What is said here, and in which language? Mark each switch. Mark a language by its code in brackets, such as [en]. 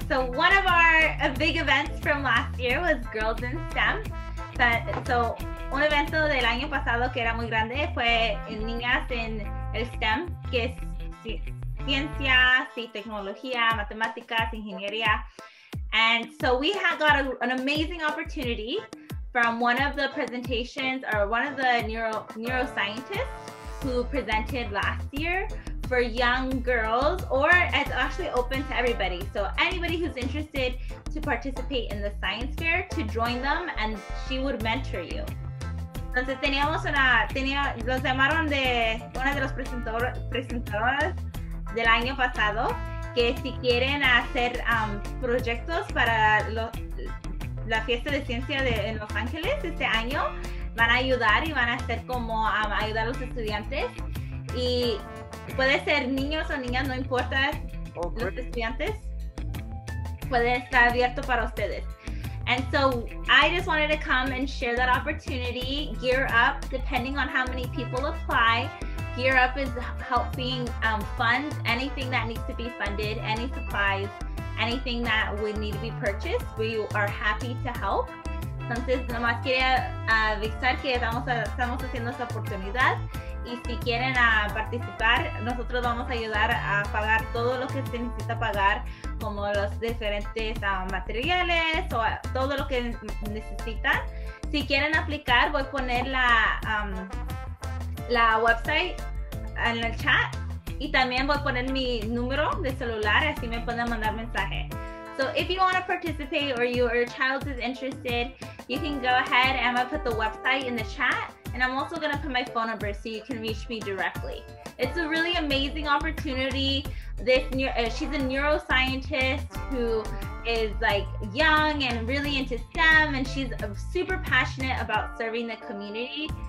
[en] So one of our big events from last year was Girls in STEM. [es] So un evento del año pasado que era muy grande fue en niñas en el STEM, que es ciencias y tecnología, matemáticas, ingeniería. [en] And so we have got an amazing opportunity from one of the presentations, or one of the neuroscientists who presented last year for young girls, or it's actually open to everybody. So anybody who's interested to participate in the science fair, to join them, and she would mentor you. [es] Entonces teníamos los llamaron de una de las presentadoras del año pasado, que si quieren hacer proyectos para la fiesta de ciencia en Los Ángeles este año, van a ayudar y van a hacer como ayudar a los estudiantes. Y puede ser niños o niñas, no importa, los estudiantes, puede estar abierto para ustedes. [en] And so I just wanted to come and share that opportunity. Gear Up, depending on how many people apply, Gear Up is helping fund anything that needs to be funded, any supplies, anything that would need to be purchased. We are happy to help. [es] Entonces, nomás quería avisar que estamos haciendo esta oportunidad. Y si quieren participar, nosotros vamos a ayudar a pagar todo lo que se necesita pagar, como los diferentes materiales o todo lo que necesitan. Si quieren aplicar, voy a poner la website en el chat, y también voy a poner mi número de celular, así me pueden mandar mensaje. [en] So if you want to participate, or your child is interested, you can go ahead and I'm going to put the website in the chat, and I'm also going to put my phone number so you can reach me directly. It's a really amazing opportunity. She's a neuroscientist who is like young and really into STEM, and she's super passionate about serving the community.